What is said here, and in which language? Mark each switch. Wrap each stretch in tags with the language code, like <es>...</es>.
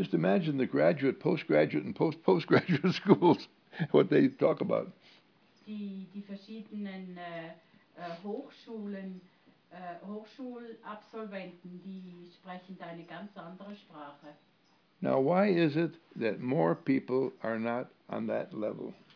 <en>Just imagine the graduate, postgraduate and postgraduate schools, what they talk about.</en> <de>Die verschiedenen Hochschulabsolventen, die sprechen da eine ganz andere Sprache.</de> <en>Now, why is it that more people are not on that level?</en>